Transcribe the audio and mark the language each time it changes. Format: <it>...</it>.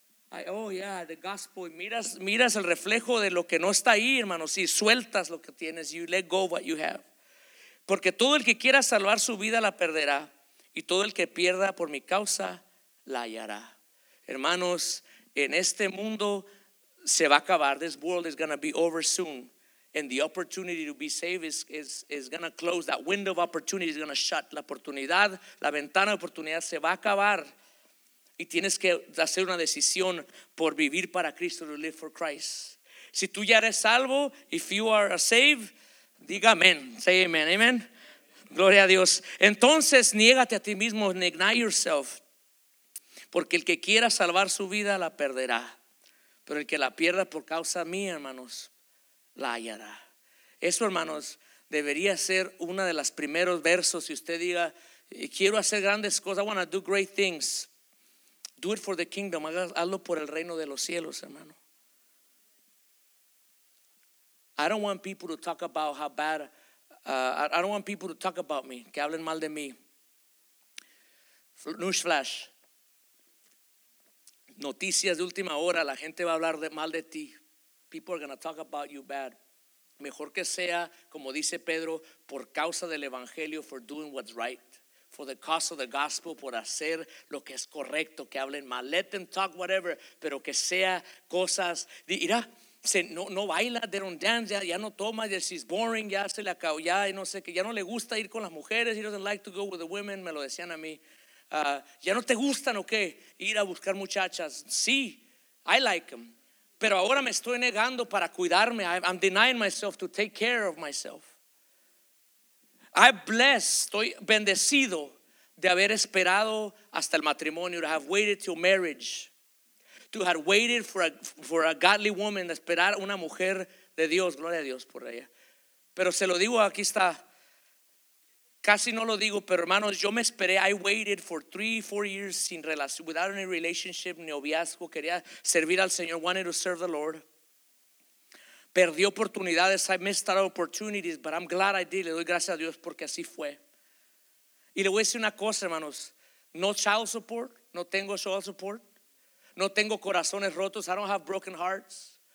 <en>The gospel.</en> <es>Miras el reflejo de lo que no está ahí, hermano. Si sueltas lo que tienes,</es> <en>you let go what you have.</en> <es>Porque todo el que quiera salvar su vida la perderá, y todo el que pierda por mi causa la hallará. Hermanos, en este mundo se va a acabar.</es> <en>This world is going to be over soon. And the opportunity to be saved is going to close. That window of opportunity is going to shut.</en> <es>La ventana de oportunidad se va a acabar. Y tienes que hacer una decisión por vivir para Cristo,</es> <en>to live for Christ.</en> <es>Si tú ya eres salvo,</es> <en>if you are saved,</en> <es>diga amén.</es> <en>Say amen, amen.</en> <es>Gloria a Dios. Entonces, niégate a ti mismo,</es> <en>deny yourself.</en> <es>Porque el que quiera salvar su vida la perderá. Pero el que la pierda por causa mía, hermanos, la hallará. Eso, hermanos, debería ser uno de los primeros versos. Si usted diga, quiero hacer grandes cosas,</es> <en>I want to do great things. Do it for the kingdom,</en> <es>hazlo por el reino de los cielos, hermano.</es> <en>I don't want people to talk about how bad, I don't want people to talk about me,</en> <es>que hablen mal de mí.</es> <en>Newsflash.</en> <es>Noticias de última hora, la gente va a hablar mal de ti.</es> <en>People are going to talk about you bad.</en> <es>Mejor que sea, como dice Pedro, por causa del evangelio,</es> <en>for doing what's right, for the cause of the gospel,</en> <es>por hacer lo que es correcto, que hablen mal.</es> <en>Let them talk whatever,</en> <es>pero que sea cosas. Mira, no baila,</es> <en>they don't dance,</en> <es>ya no toma,</es> <en>this is boring,</en> <es>ya se le acabó, ya no sé qué, ya no le gusta ir con las mujeres,</es> <en>he doesn't like to go with the women,</en> <es>me lo decían a mí. Ya no te gustan, ¿o qué? Ir a buscar muchachas. Sí,</es> <en>I like them.</en> <es>Pero ahora me estoy negando para cuidarme.</es> <en>I'm denying myself to take care of myself. I'm blessed.</en> <es>Estoy bendecido de haber esperado hasta el matrimonio.</es> <en>To have waited till marriage. To have waited for a godly woman.</en> <es>De esperar una mujer de Dios. Gloria a Dios por ella. Pero se lo digo, aquí está. Casi no lo digo, pero hermanos, yo me esperé.</es> <en>I waited for 3-4 years</en> <es>sin relación,</es> <en>without any relationship,</en> <es>ni noviazgo. Quería servir al Señor,</es> <en>wanted to serve the Lord.</en> <es>Perdí oportunidades,</es> <en>I missed out opportunities, but I'm glad I did.</en> <es>Le doy gracias a Dios porque así fue. Y le voy a decir una cosa, hermanos.</es> <en>No child support,</en> <es>no tengo child support. No tengo corazones rotos,</es> <en>I don't have broken hearts.</en>